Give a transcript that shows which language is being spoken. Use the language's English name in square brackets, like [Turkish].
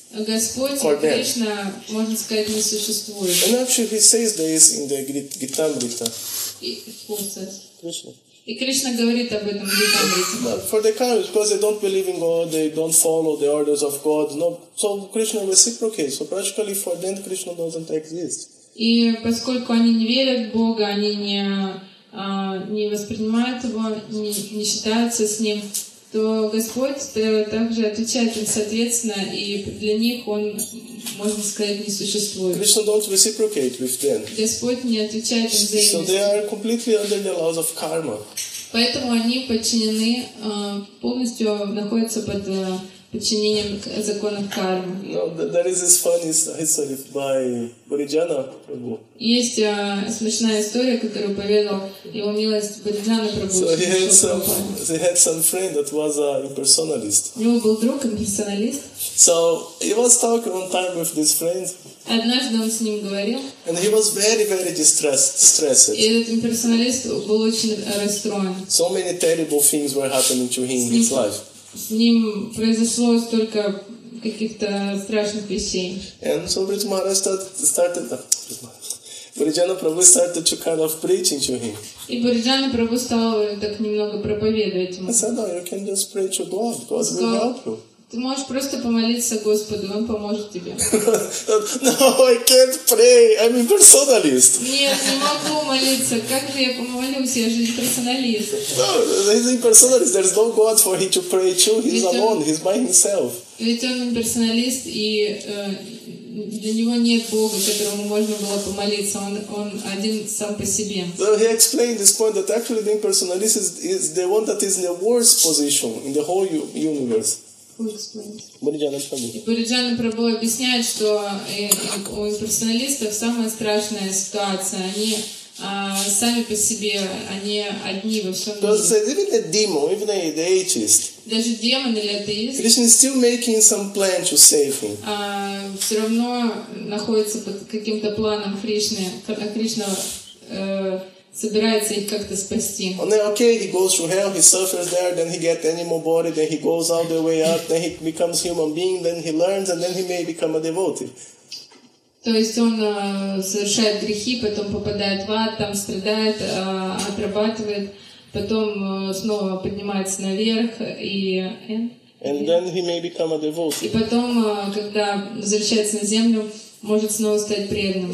[Russian] Господь Кришна, можно сказать, не существует. [English] And actually, he says this in the Gitamrita. [Russian] И Кришна говорит об этом в Гитамрите. [English] For the karmis, because they don't believe in God, they don't follow the orders of God. No, so Krishna reciprocates. So practically, for them, Krishna doesn't exist. [Russian] И поскольку они не верят в Бога, они не воспринимают Его, не считаются с Ним, то Господь также отвечает им соответственно, и для них Он, можно сказать, не существует. [English] Krishna don't reciprocate with them. [Russian] Господь не отвечает им взаимно. [English] So they are completely under the laws of karma. [Russian] Поэтому они подчинены, полностью находятся под подчинением законов кармы. [English] No, there is this funny story by Bodhidharma Prabhu. [Russian] Есть смешная история, которую поведал его милость Бодхидхарма Прабху. [English] So he had some friend that was an impersonalist. [Russian] У него был друг имперсоналист. [English] So he was talking one time with this friend. [Russian] Однажды он с ним говорил. [English] And he was very, very distressed. [Russian] И этот имперсоналист был очень расстроен. [English] So many terrible things were happening to him in his life. [Russian] С ним произошло столько каких-то страшных вещей. [English] And so Brij Maharaj started to kind of preaching to him. [Russian] И Бриджана Прабху стал так немного проповедовать ему. [English] I said, no, you can just pray to God. God will help you. [Russian] Ты можешь просто помолиться Господу, Он поможет тебе. [English] No, I can't pray. I'm impersonalist. [Russian] Нет, не могу молиться. Как же я помолюсь? Я же имперсоналист. [English] No, he's impersonalist. There's no God for him to pray to. He's alone. He's by himself. [Russian] Ведь он имперсоналист, и для него нет Бога, которому можно было помолиться. Он один сам по себе. [English] So he explained this point that actually the impersonalist is the one that is in the worst position in the whole universe. [Russian] Бриджана Прабху объясняет, что у имперсоналистов самая страшная ситуация. Они сами по себе, они одни во всем мире. [English] Even a demon, even an atheist. [Russian] Даже демон или атеист. [English] Krishna is still making some plan to save him. [Russian] Все равно находится под каким-то планом Кришны, когда Кришна собирается их как-то спасти. [English] Then, okay, he goes to hell, he suffers there, then he gets animal body, then he goes all the way up, then he becomes human being, then he learns, and then he may become a devotee. [Russian] То есть он совершает грехи, потом попадает в ад, там страдает, отрабатывает, потом снова поднимается наверх и... [English] And then he may become a devotee. [Russian] И потом, когда возвращается на землю, может снова стать преданным.